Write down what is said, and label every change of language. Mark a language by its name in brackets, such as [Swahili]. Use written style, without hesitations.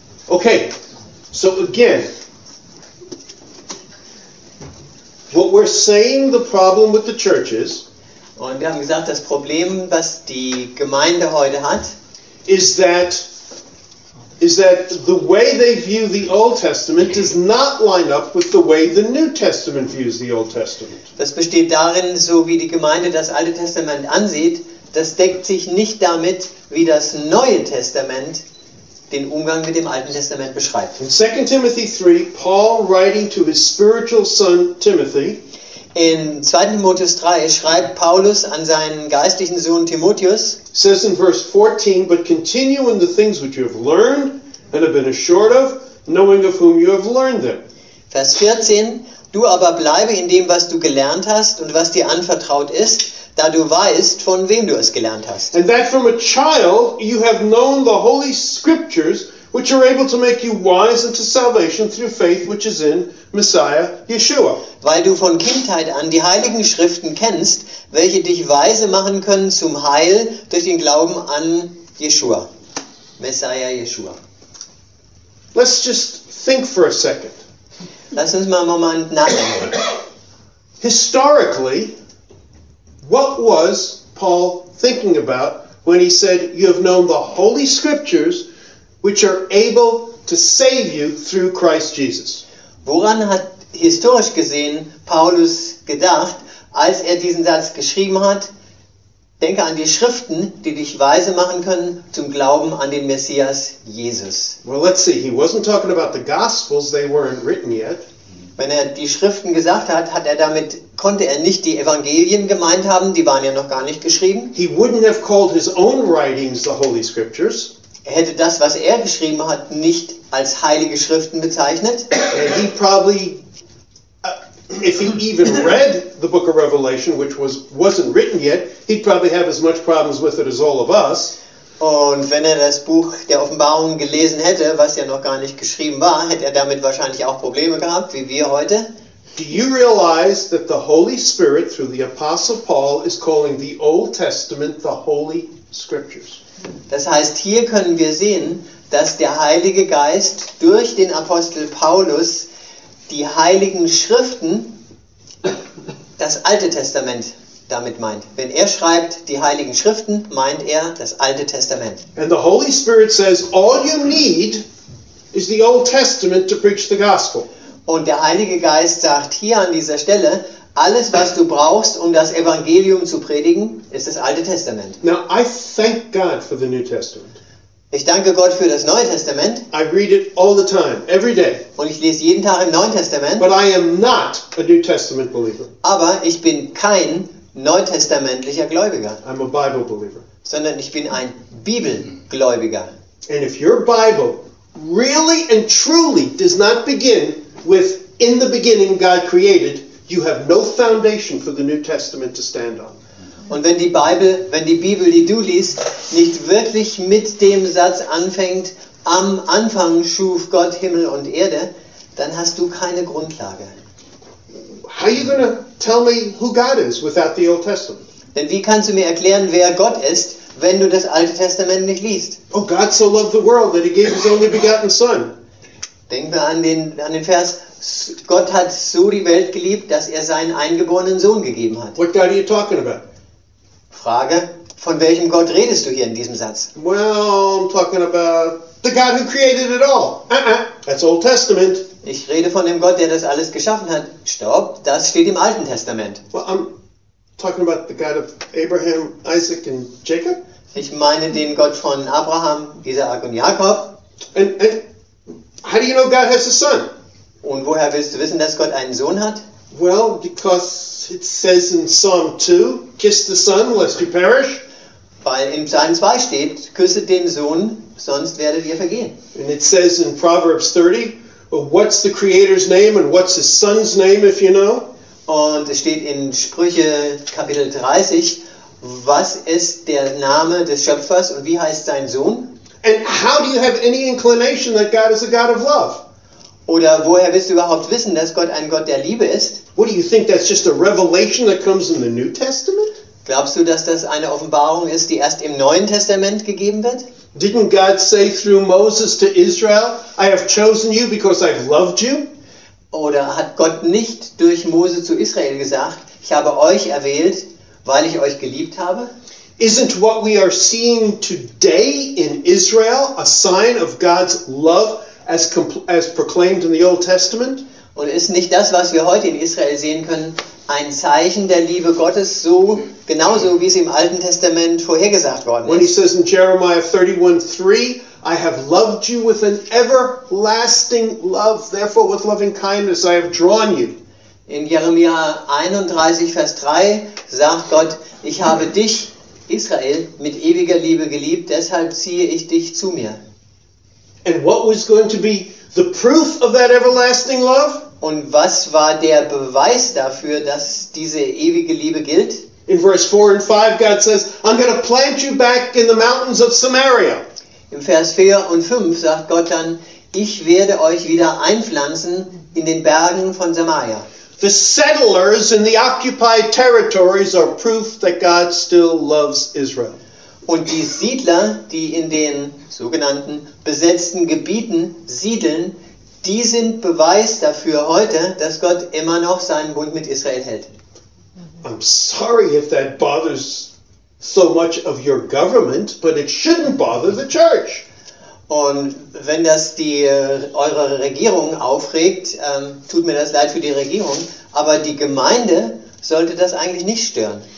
[English] Okay, so again, what we're saying the problem with the church is, [German] und wir haben gesagt, das Problem, was die Gemeinde heute hat, [English] is that the way they view the Old Testament does not line up with the way the New Testament views the Old Testament. [German] Das besteht darin, so wie die Gemeinde das Alte Testament ansieht, das deckt sich nicht damit, wie das Neue Testament den Umgang mit dem Alten Testament beschreibt. [English] In 2 Timothy 3, Paul writing to his spiritual son Timothy. In 2. [German] Timotheus 3 schreibt Paulus an seinen geistlichen Sohn Timotheus. [English] Says in verse 14, but continue in the things which you have learned and have been assured of, knowing of whom you have learned them. [German] Vers 14, du aber bleibe in dem, was du gelernt hast und was dir anvertraut ist, da du weißt, von wem du es gelernt hast. [English] And that from a child you have known the holy scriptures, which are able to make you wise unto salvation through faith which is in Messiah Yeshua. [German] Weil du von Kindheit an die heiligen Schriften kennst, welche dich weise machen können zum Heil durch den Glauben an Yeshua. [English] Messiah Yeshua. Let's just think for a second. [German] Lass uns mal einen Moment nachdenken. [English] Historically, what was Paul thinking about when he said, you have known the holy scriptures, which are able to save you through Christ Jesus? [German] Woran hat historisch gesehen Paulus gedacht, als er diesen Satz geschrieben hat? Denke an die Schriften, die dich weise machen können zum Glauben an den Messias Jesus. [English] Well, let's see, he wasn't talking about the Gospels, they weren't written yet. [German] Wenn er die Schriften gesagt hat, hat er damit, konnte er nicht die Evangelien gemeint haben, die waren ja noch gar nicht geschrieben. [English] He wouldn't have called his own writings the Holy Scriptures. [German] Er hätte das, was er geschrieben hat, nicht als heilige Schriften bezeichnet. [English] He probably, if he even read the book of Revelation, which wasn't written yet, he'd probably have as much problems with it as all of us. [German] Und wenn er das Buch der Offenbarung gelesen hätte, was ja noch gar nicht geschrieben war, hätte er damit wahrscheinlich auch Probleme gehabt, wie wir heute. [English] Do you realize that the Holy Spirit, through the Apostle Paul, is calling the Old Testament the Holy Scriptures? [German] Das heißt, hier können wir sehen, dass der Heilige Geist durch den Apostel Paulus die Heiligen Schriften, das Alte Testament, damit meint. Wenn er schreibt, die Heiligen Schriften, meint er das Alte Testament. [English] And the Holy Spirit says, all you need is the Old Testament to preach the gospel. [German] Und der Heilige Geist sagt hier an dieser Stelle, alles, was du brauchst, um das Evangelium zu predigen, ist das Alte Testament. [English] Now, I thank God for the New Testament. [German] Ich danke Gott für das Neue Testament. [English] I read it all the time, every day. [German] Und ich lese jeden Tag im Neuen Testament. [English] But I am not a New Testament believer. [German] Aber ich bin kein neutestamentlicher Gläubiger. [English] I'm a Bible believer. [German] Sondern ich bin ein Bibelgläubiger. [English] And if your Bible really and truly does not begin with in the beginning God created, you have no foundation for the New Testament to stand on. [German] Und wenn die Bibel, die du liest, nicht wirklich mit dem Satz anfängt, am Anfang schuf Gott Himmel und Erde, dann hast du keine Grundlage. [English] How are you going to tell me who God is without the Old Testament? [German] Denn wie kannst du mir erklären, wer Gott ist, wenn du das Alte Testament nicht liest? [English] Oh, God so loved the world that he gave his only begotten Son. [German] Denk mal an den Vers, Gott hat so die Welt geliebt, dass er seinen eingeborenen Sohn gegeben hat. [English] What God are you talking about? [German] Frage, von welchem Gott redest du hier in diesem Satz? [English] Well, I'm talking about the God who created it all. That's Old Testament. [German] Ich rede von dem Gott, der das alles geschaffen hat. Stopp, das steht im Alten Testament. [English] Well, I'm talking about the God of Abraham, Isaac and Jacob. [German] Ich meine den Gott von Abraham, Isaac und Jakob. [English] And how do you know God has a son? [German] Und woher willst du wissen, dass Gott einen Sohn hat? [English] Well, because it says in Psalm 2, kiss the son, lest you perish. [German] Weil in Psalm 2 steht, küsset den Sohn, sonst werdet ihr vergehen. [English] And it says in Proverbs 30, well, what's the creator's name and what's his son's name, if you know? [German] Und es steht in Sprüche Kapitel 30, was ist der Name des Schöpfers und wie heißt sein Sohn? [English] And how do you have any inclination that God is a God of love? [German] Oder woher willst du überhaupt wissen, dass Gott ein Gott der Liebe ist? [English] What do you think, that's just a revelation that comes in the New Testament? [German] Glaubst du, dass das eine Offenbarung ist, die erst im Neuen Testament gegeben wird? [English] Didn't God say through Moses to Israel, I have chosen you because I've loved you? [German] Oder hat Gott nicht durch Mose zu Israel gesagt, ich habe euch erwählt, weil ich euch geliebt habe? [English] Isn't what we are seeing today in Israel a sign of God's love as proclaimed in the Old Testament? [German] Und ist nicht das, was wir heute in Israel sehen können, ein Zeichen der Liebe Gottes, so genauso wie es im Alten Testament vorhergesagt worden ist? [English] When he says in Jeremiah 31:3, I have loved you with an everlasting love, therefore with loving kindness I have drawn you. [German] In Jeremia 31, Vers 3 sagt Gott, ich habe dich, Israel, mit ewiger Liebe geliebt, deshalb ziehe ich dich zu mir. [English] And what was going to be the proof of that everlasting love? [German] Und was war der Beweis dafür, dass diese ewige Liebe gilt? In Vers 4 und 5 [English] God says, I'm going to plant you back in the mountains of Samaria. [German] Im Vers 4 und 5 sagt Gott dann, ich werde euch wieder einpflanzen in den Bergen von Samaria. [English] The settlers in the occupied territories are proof that God still loves Israel. [German] Und die Siedler, die in den sogenannten besetzten Gebieten siedeln, die sind Beweis dafür heute, dass Gott immer noch seinen Bund mit Israel hält. [English] I'm sorry if that bothers so much of your government, but it shouldn't bother the church. [German] Und wenn das die eure Regierung aufregt, tut mir das leid für die Regierung, aber die Gemeinde sollte das eigentlich nicht stören.